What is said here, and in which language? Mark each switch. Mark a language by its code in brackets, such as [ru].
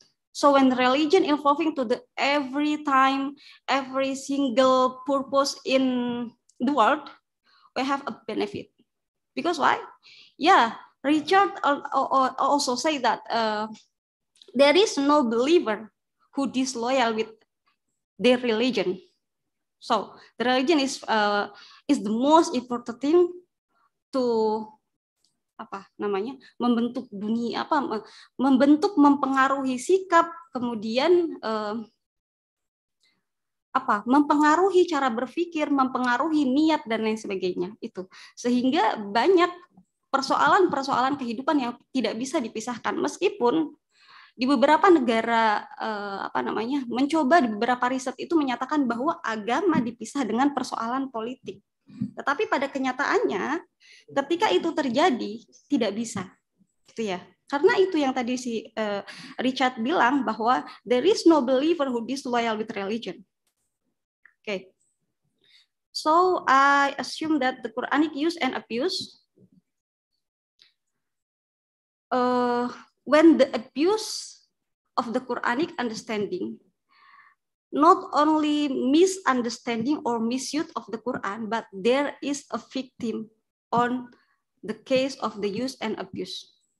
[en] So when religion involving to the every time, every single purpose in the world, we have a benefit. Because why? Yeah, Richard also say that there is no believer who disloyal with their religion. So the religion is the most important thing to [id] apa namanya membentuk dunia apa membentuk mempengaruhi sikap kemudian apa mempengaruhi cara berpikir mempengaruhi niat dan lain sebagainya itu sehingga banyak persoalan-persoalan kehidupan yang tidak bisa dipisahkan meskipun di beberapa negara apa namanya mencoba di beberapa riset itu menyatakan bahwa agama dipisah dengan persoalan politik. Tetapi pada kenyataannya ketika itu terjadi tidak bisa gitu ya karena itu yang tadi si Richard bilang bahwa [en] there is no believer who is loyal with religion. Okay, so I assume that the Quranic use and abuse when the abuse of the Quranic understanding not only misunderstanding or misuse of the Quran, but there is a victim on the case of the use and abuse.